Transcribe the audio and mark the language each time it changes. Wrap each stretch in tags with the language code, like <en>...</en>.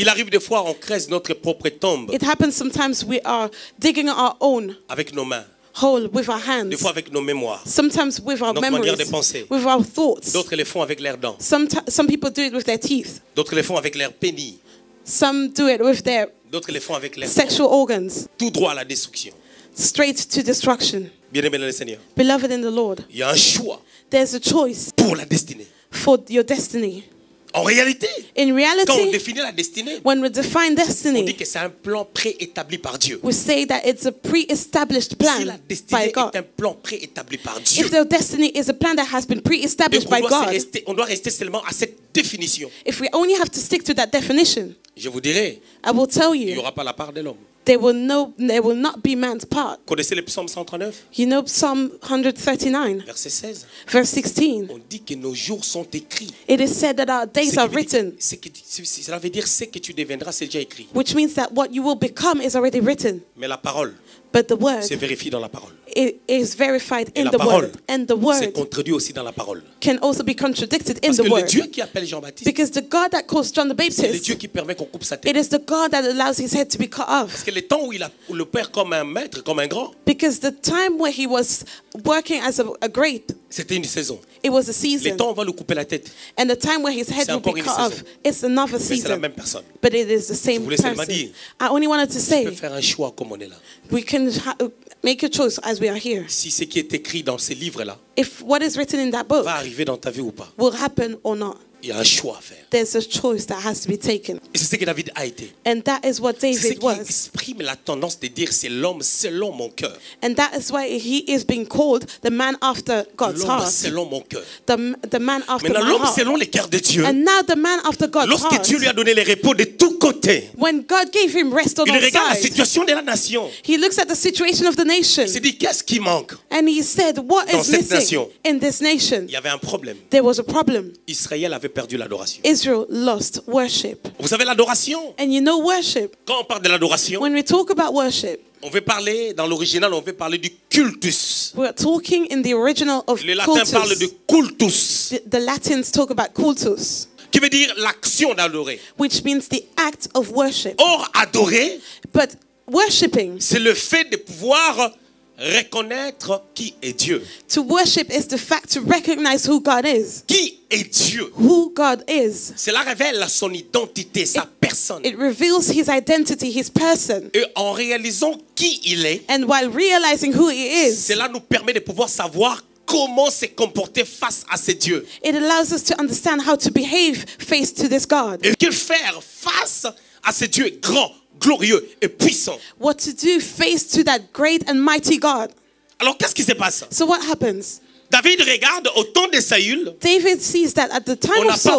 <fr>Il arrive des fois on creuse notre propre tombe.</fr> <en>It happens sometimes we are digging our own.</en> <fr>Avec nos mains.</fr> <en>Whole with our hands.</en> <fr>Des fois avec nos mémoires.</fr> <en>Sometimes with our</en> <fr>notre</fr> <en>memories.</en> <fr>Manière de penser.</fr> <en>With our thoughts.</en> <fr>D'autres le font avec leurs dents.</fr> <en>Some people do it with their teeth.</en> <fr>D'autres le font avec leurs pénis.</fr> <en>Some do it with their.</en> <fr>D'autres le font avec leurs</fr> <en>sexual organs.</en> <fr>Tout droit à la destruction.</fr> <en>Straight to destruction.</en> <fr>Bien-aimé dans le Seigneur.</fr> <en>Beloved in the Lord.</en> <fr>Il y a un choix.</fr> <en>There's a choice.</en> <fr>Pour la destinée.</fr> <en>For your destiny.</en> <fr>En réalité,</fr> <en>in reality,</en> <fr>quand on définit la destinée,</fr> <en>when we define destiny,</en> <fr>on dit que c'est un plan préétabli par Dieu.</fr> <en>We say that it's a pre-established plan by God.</en> <fr>Si la destinée est un plan préétabli par Dieu,</fr> <en>if the destiny is a plan that has been pre-established by God,</en> <fr>on doit rester seulement à cette définition.</fr> <en>If we only have to stick to that definition,</en> <fr>je vous dirai,</fr> <en>I will tell you,</en> <fr>il n'y aura pas la part de l'homme.</fr> <en>There will not be man's part.</en> <fr>Connaissez le psaume 139?</fr> <en>You know Psalm 139.</en> <fr>Verset 16.</fr> <en>Verse 16.</en> <fr>On dit que nos jours sont écrits.</fr> <en>It is said that our days are written.</en> <fr>Cela veut dire ce que tu deviendras, c'est déjà écrit.</fr> <en>Which means that what you will become is already written.</en> <fr>Mais la parole.</fr> <en>But the word.</en> <fr>Se vérifie dans la parole.</fr> <en>It is verified in the</en> <fr>parole,</fr> <en>word. And the word.</en> <fr>C'est contredit aussi dans la parole.</fr> <en>Can also be contradicted in</en> <fr>parce</fr> <en>the word.</en> <fr>Parce que le Dieu qui appelle Jean-Baptiste.</fr> <en>Because the God that calls John the Baptist.</en> <fr>C'est le Dieu qui permet qu'on coupe sa tête.</fr> <en>It is the God that allows his head to be cut off.</en> <fr>Parce que le temps où il a où le père comme un maître, comme un grand.</fr> <en>Because the time where he was working as a great.</en> <fr>C'était une saison.</fr> <en>It was a season.</en> <fr>Le temps où on va lui couper la tête.</fr> <en>And the time where his head will be cut</en> <fr>saison.</fr> <en>Off. It's another season.</en> <fr>C'est la même personne.</fr> <en>But it is the same</en> <fr>je</fr> <en>person.</en> <fr>Dire,</fr> <en>I only wanted to say.</en> <fr>Je peux faire un choix comme on est là.</fr> <en>We can make a choice as we are here.</en> <fr>Si ce qui est écrit dans ces livres-là.</fr> <en>If what is written in that book.</en> <fr>Va arriver dans ta vie ou pas.</fr> <en>Will happen or not.</en> <fr>Il y a un choix à faire.</fr> <en>There's a choice that has to be taken.</en> <fr>Et c'est ce que David a été.</fr> <en>And that is what David was.</en> <fr>C'est ce qui exprime la tendance de dire c'est l'homme selon mon cœur.</fr> <en>And that is why he is being called the man after God's</en> <fr>l'homme</fr> <en>heart.</en> <fr>L'homme selon mon cœur.</fr> <en>The man after my heart.</en> <fr>L'homme selon les cœurs de Dieu.</fr> <en>And now the man after God's</en> <fr>lorsque</fr> <en>heart.</en> <fr>Lorsque Dieu lui a donné les repos de tous côtés.</fr> <en>When God gave him rest on all sides.</en> <fr>Il regarde la situation de la nation.</fr> <en>He looks at the situation of the nation.</en> <fr>Il se dit qu'est-ce qui manque.</fr> <en>And he said what</en> <fr>dans</fr> <en>is missing nation. In this nation.</en> <fr>Il y avait un problème.</fr> <en>There was a problem.</en> <fr>Israël avait perdu l'adoration.</fr> <en>Israel lost worship.</en> <fr>Vous savez l'adoration?</fr> <en>And you know worship.</en> <fr>Quand on parle de l'adoration,</fr> <en>when we talk about worship,</en> <fr>on veut parler dans l'original, on veut parler du cultus.</fr> <en>We're talking in the original of</en> <fr>le latin</fr> <en>cultus.</en> <fr>Parle de cultus.</fr> <en>The Latins talk about cultus.</en> <fr>Qui veut dire l'action d'adorer.</fr> <en>Which means the act of worship.</en> <fr>Or adorer,</fr> <en>but worshiping,</en> <fr>c'est le fait de pouvoir reconnaître qui est Dieu.</fr> <en>To worship is the fact to recognize who God is.</en> <fr>Qui est Dieu?</fr> <en>Who God is.</en> <fr>Cela révèle son identité, sa personne.</fr> <en>It reveals his identity, his person.</en> <fr>Et en réalisant qui il est.</fr> <en>And while realizing who he is.</en> <fr>Cela nous permet de pouvoir savoir comment se comporter face à ce Dieu.</fr> <en>It allows us to understand how to behave face to this God.</en> <fr>Et que faire face à ce Dieu grand, glorieux et puissant.</fr> <en>What to do face to that great and mighty God?</en> <fr>Alors qu'est-ce qui se passe?</fr> <en>So what happens?</en> <fr>David regarde au temps de Saül.</fr> <en>David sees that at the time of Saul.</en>